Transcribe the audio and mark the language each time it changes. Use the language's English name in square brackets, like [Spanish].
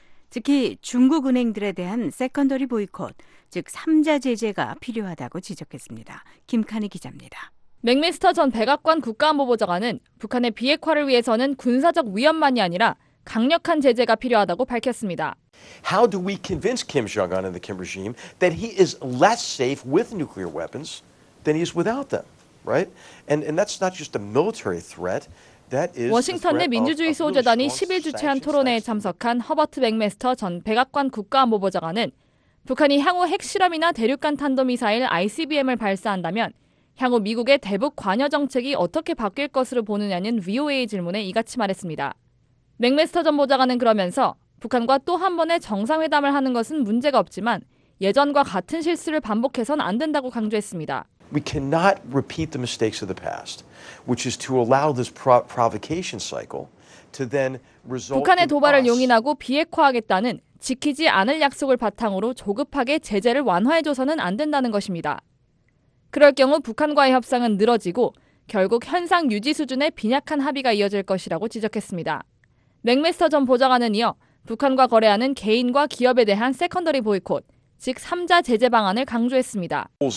[Korean] 특히 중국 은행들에 대한 세컨더리 보이콧, 즉 3자 제재가 필요하다고 지적했습니다. 김카니 기자입니다. 맥메스터 전 백악관 국가안보 보좌관은 북한의 비핵화를 위해서는 군사적 위협만이 아니라 강력한 제재가 필요하다고 밝혔습니다. [English] How do we convince Kim Jong-un and the Kim regime that he is less safe with nuclear weapons than he is without them, right? And that's not just a military threat. [Korean] 워싱턴 내 민주주의 수호재단이 10일 주최한 토론회에 참석한 허버트 맥메스터 전 백악관 국가안보보좌관은 북한이 향후 핵실험이나 대륙간 탄도미사일 ICBM을 발사한다면 향후 미국의 대북 관여 정책이 어떻게 바뀔 것으로 보느냐는 VOA 질문에 이같이 말했습니다. 맥메스터 전 보좌관은 그러면서 북한과 또 한 번의 정상회담을 하는 것은 문제가 없지만 예전과 같은 실수를 반복해서는 안 된다고 강조했습니다. [English] We cannot repeat the mistakes of the past, which is to allow this provocation cycle to then result. [Korean] 북한의 도발을 용인하고 비핵화하겠다는 지키지 않을 약속을 바탕으로 조급하게 제재를 완화해줘서는 안 된다는 것입니다. 그럴 경우 북한과의 협상은 늘어지고 결국 현상 유지 수준의 빈약한 합의가 이어질 것이라고 지적했습니다. 맥메스터 전 보좌관은 이어 북한과 거래하는 개인과 기업에 대한 세컨더리 보이콧, 즉 3자 제재 방안을 강조했습니다.